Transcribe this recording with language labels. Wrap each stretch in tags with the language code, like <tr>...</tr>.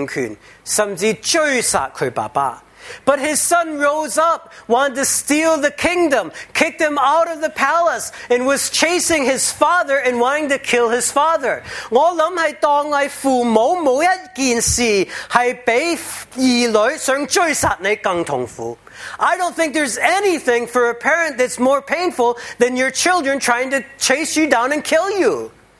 <zh>但是他的儿子就是起革命,想抢夺他的王位,推翻他爸爸的政权,甚至追杀他爸爸。But</zh> <en>his son rose up, wanted to steal the kingdom, kicked him out of the palace, and was chasing his father and wanting to kill his father.</en> <zh>我想是当父母某一件事,是比儿女想追杀你更痛苦。</zh> <en>I don't think there's anything for a parent that's more painful than your children trying to chase you down and kill you.</en>